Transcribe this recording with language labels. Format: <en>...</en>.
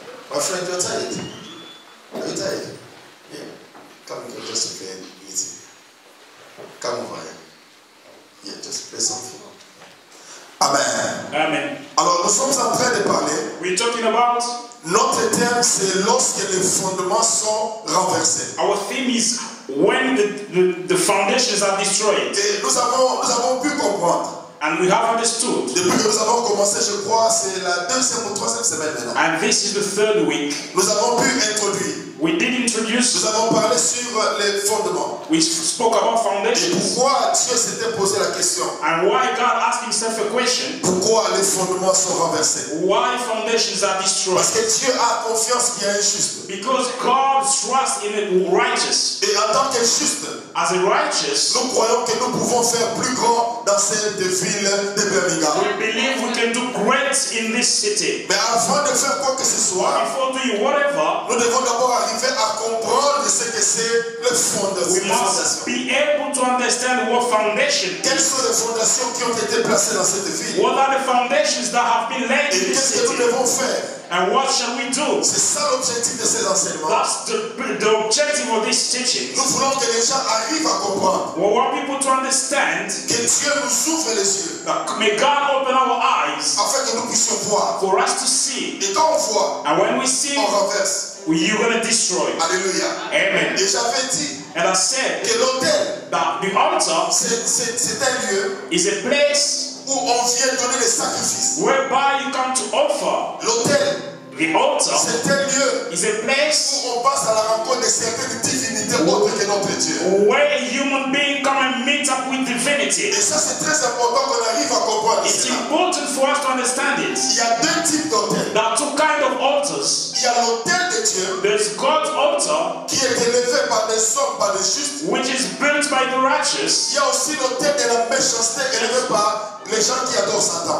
<en>My friend, you're tired. Are you tired? Yeah. Come here, just play easy. Come over here. Yeah, just play something. Amen. Amen.</en> <fr>Alors, nous sommes en train de parler.</fr> <en>We're talking about.</en> <fr>Notre thème, c'est lorsque les fondements sont renversés.</fr> <en>Our theme is when the foundations are destroyed.</en> <fr>Et nous avons pu comprendre.</fr> <en>And we have understood.</en> <fr>Depuis que nous avons commencé, je crois, c'est la deuxième ou troisième semaine maintenant.</fr> <en>And this is the third week.</en> <fr>Nous avons pu introduire.</fr> <en>We did introduce.</en> <fr>Nous avons parlé sur les fondements.</fr> <en>We spoke about foundations.</en> <fr>Et pourquoi Dieu s'était posé la question?</fr> <en>And why God asked himself a question?</en> <fr>Pourquoi les fondements sont renversés?</fr> <en>Why foundations are destroyed?</en> <fr>Parce que Dieu a confiance qu'il y a un juste.</fr> <en>Because God trusts in a righteous.</en> <fr>Et en tant que juste,</fr> <en>as a righteous,</en> <fr>nous croyons que nous pouvons faire plus grand dans cette ville de Birmingham.</fr> <en>We believe we can do great in this city.</en> <fr>Mais avant de faire quoi que ce soit,</fr> <en>before doing whatever,</en> <fr>nous devons d'abord arriver à comprendre ce que c'est le fondement.</fr> <en>We must be able to understand what foundation.</en> <fr>Quelles sont les fondations qui ont été placées dans cette ville?</fr> <en>What are the foundations that have been laid in this city?</en> <fr>Et qu'est-ce que nous devons faire?</fr> <en>And what shall we do?</en> <fr>C'est ça l'objectif de ces enseignements.</fr> <en>That's the objective of this teaching.</en> <fr>Nous voulons que les gens arrivent à comprendre.</fr> <en>We want people to understand.</en> <fr>Que Dieu nous ouvre les yeux.</fr> <en>May God open our eyes.</en> <fr>Afin que nous puissions voir.</fr> <en>For us to see.</en> <fr>Et quand on voit.</fr> <en>And when we see.</en> <fr>On renverse.</fr> <en>You're going to destroy. Alléluia. Amen.</en> <fr>Et j'avais dit.</fr> <en>And I said.</en> <fr>Que l'autel.</fr> <en>That the altar.</en> <fr>C'est un lieu.</fr> <en>Is a place.</en> <fr>Où on vient donner les sacrifices.</fr> <en>Whereby you come to offer.</en> <fr>L'autel.</fr> <en>The altar.</en> <fr>C'est un lieu.</fr> <en>Is a place.</en> <fr>Où on passe à la rencontre de certaines divinités autres que notre Dieu.</fr> <en>Where human beings come and meet up with divinity.</en> <fr>Et ça c'est très important qu'on arrive à comprendre.</fr> <en>It's important for us to understand it.</en> <fr>Il y a deux types d'autels.</fr> <en>There are two kinds of altars.</en> <fr>il y a l'autel de Dieu,</fr> <en>there's God's altar,</en> <fr>qui est élevé par les sauves, par les justes,</fr> <en>which is built by the righteous.</en> <fr>Il y a aussi l'autel de la méchanceté élevé par les gens qui adorent Satan.</fr>